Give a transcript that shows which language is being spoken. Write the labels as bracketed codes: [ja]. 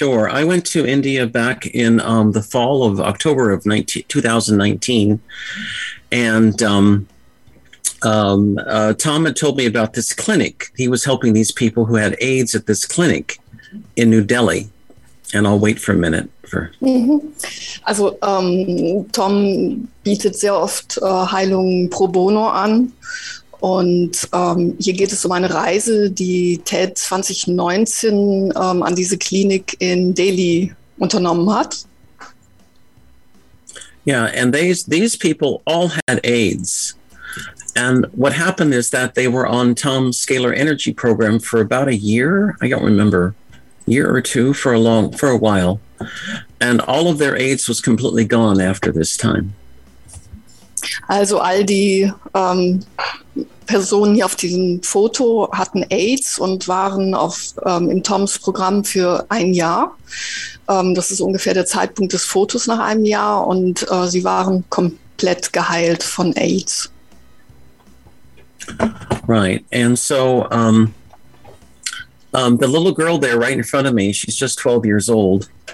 [en] I went to India back in the fall of October of 2019. And Tom had told me about this clinic. He was helping these people who had AIDS at this clinic in New Delhi. And I'll wait for a minute. [de] Also Tom bietet sehr oft Heilungen pro bono an und hier geht es um eine Reise, die Ted 2019 an diese Klinik in Delhi unternommen hat. [en] Yeah, and these people all had AIDS. And what happened is that they were on Tom's Scalar Energy Program for about a year, I don't remember, year or two, for a while. And all of their AIDS was completely gone after this time. [de] Also all die Personen hier auf diesem Foto hatten AIDS und waren auf in Toms Programm für ein Jahr. Das ist ungefähr der Zeitpunkt des Fotos nach einem Jahr und sie waren komplett geheilt von AIDS. [en] Right. And so the little girl there right in front of me, she's just 12 years old.